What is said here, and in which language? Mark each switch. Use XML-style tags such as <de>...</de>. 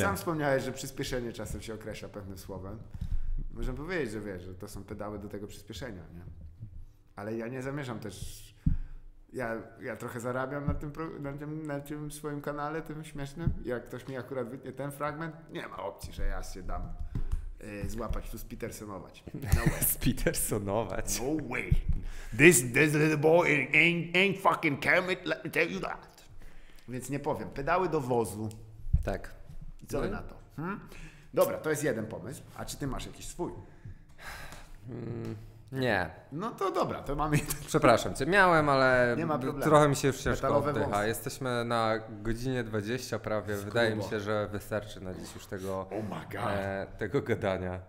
<pl>Sam wspomniałeś, że przyspieszenie czasem się określa pewnym słowem. Można powiedzieć, że wiesz, że to są pedały do tego przyspieszenia. Nie? Ale ja nie zamierzam też... Ja trochę zarabiam na tym swoim kanale, tym śmiesznym. Jak ktoś mi akurat wytnie ten fragment, nie ma opcji, że ja się dam. Złapać, tu spitersonować. Spitersonować?</pl> <en>No way. This little boy ain't fucking Kermit, let me tell you that.</en> <pl>Więc nie powiem. Pedały do wozu. Tak. Co na to? Dobra, to jest jeden pomysł. A czy ty masz jakiś swój? Nie. No to dobra, to mamy... Przepraszam cię, miałem, ale nie ma problemu. Trochę mi się już ciężko oddycha. Jesteśmy na godzinie 20 prawie. Skubo. Wydaje mi się, że wystarczy na dziś już tego, tego gadania.</pl>